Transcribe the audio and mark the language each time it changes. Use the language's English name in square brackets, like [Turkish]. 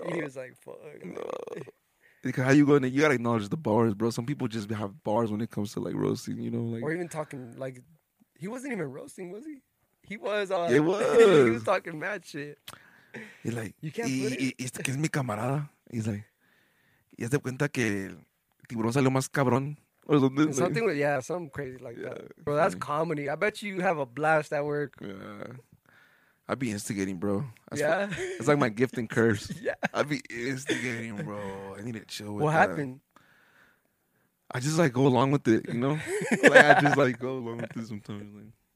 [English] oh. He was like, fuck. No. Because how you going to, you got to acknowledge the bars, bro. Some people just have bars when it comes to, like, roasting, you know? Like, or even talking, like... He wasn't even roasting, was he? He was. He was. He was talking mad shit. He's like, you can't put it. [Spanish] Que es mi camarada. [English] He's like, [Spanish] ya se cuenta que el tiburón salió más cabrón. [English] Or something. Something like, yeah, something crazy like yeah, that. Bro, that's comedy. I bet you have a blast at work. Yeah. I'd be instigating, bro. That's yeah. It's like my gift and curse. Yeah. I'd be instigating, bro. I need to chill with what that. What happened? I just, like, go along with it, you know? Like, I just, like, go along with it sometimes.